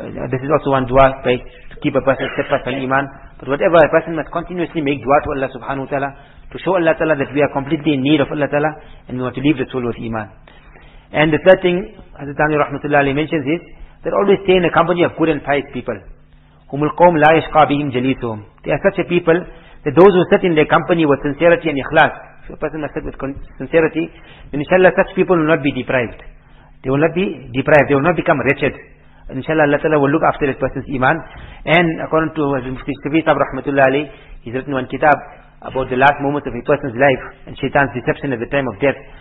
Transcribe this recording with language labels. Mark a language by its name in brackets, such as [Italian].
[English] This is also one du'a to keep a person steadfast on iman. But whatever, a person must continuously make du'a to Allah subhanahu wa ta'ala to show Allah ta'ala that we are completely in need of Allah ta'ala and we want to leave the soul with iman. And the third thing Hazrat Thani rahmatullah alayhi mentions is that always stay in the company of good and pious people. [Arabic] هم القوم لا يشقى بهم جليسهم. [English] They are such a people that those who sit in their company with sincerity and ikhlas, if a person must sit with sincerity, then inshallah such people will not be deprived. They will not be deprived. They will not become wretched. Inshallah Allah Ta'ala will look after this person's iman. And according to Mufti Shafi Sahib rahmatullah alayhi, he's written one kitab about the last moments of a person's life and shaitan's deception at the time of death.